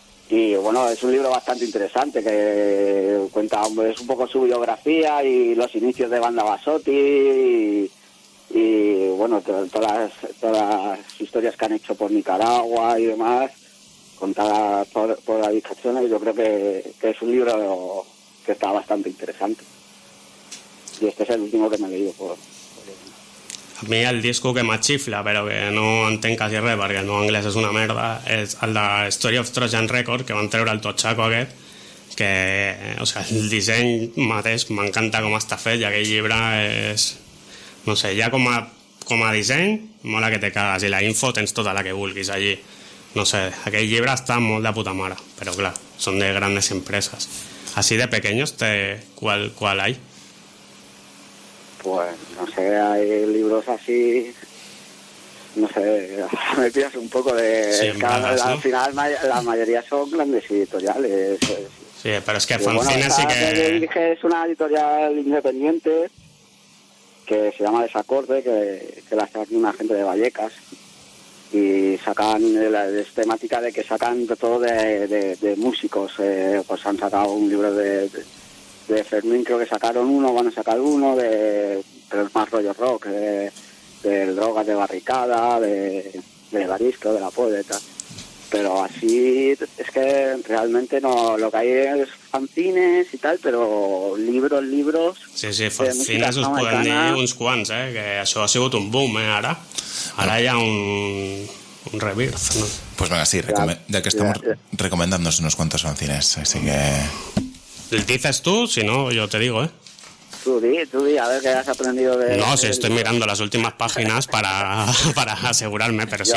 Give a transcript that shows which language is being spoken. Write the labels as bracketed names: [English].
[Spanish] Y bueno, es un libro bastante interesante que cuenta, hombre, es un poco su biografía y los inicios de Banda Basotti y bueno, todas las historias que han hecho por Nicaragua y demás, contadas por David Cachone, y yo creo que es un libro que está bastante interesante. Y este es el último que me he leído [Catalan] A mí el disco que más chifla, pero que no entenc casi res, perquè el meu anglès és una merda, és el de Story of Trojan Record, que van treure el Totxaco aquest, que, o sigui, el disseny mateix m'encanta com està fet, i aquell llibre és, no sé, ja com a disseny, mola que te cagues, i la info tens tota la que vulguis allí. No sé, aquell llibre està molt de puta mare, però clar, són de grandes empreses. [Spanish] Así de pequeños, ¿cuál hay? Pues no sé, hay libros así, no sé, me pillas un poco de... Sí, cada, malas, la, ¿no? Al final la mayoría son grandes editoriales. Sí, pero es que fanzines sí que... Es una editorial independiente que se llama Desacorde, que la hace una gente de Vallecas. Y sacan, es temática de que sacan todo de músicos, pues han sacado un libro de Fermín, creo que sacaron uno, van a sacar uno, pero es más rollo rock, de Drogas, de Barricada, de Barisco, de La Puebla y tal. Pero así, es que realmente no, lo que hay es fanzines y tal, pero libros... [Catalan] Sí, fanzines os pueden dir uns quants, que això ha sigut un boom, ara. Ara hi ha un rebirth, ¿no? [Spanish] Pues venga, sí, ya que estamos recomendándonos unos cuantos fanzines, así que... Dices tú, si no, yo te digo, ¿eh? Tú di, a ver qué has aprendido de... No, sí, estoy mirando las últimas páginas para asegurarme, pero yo,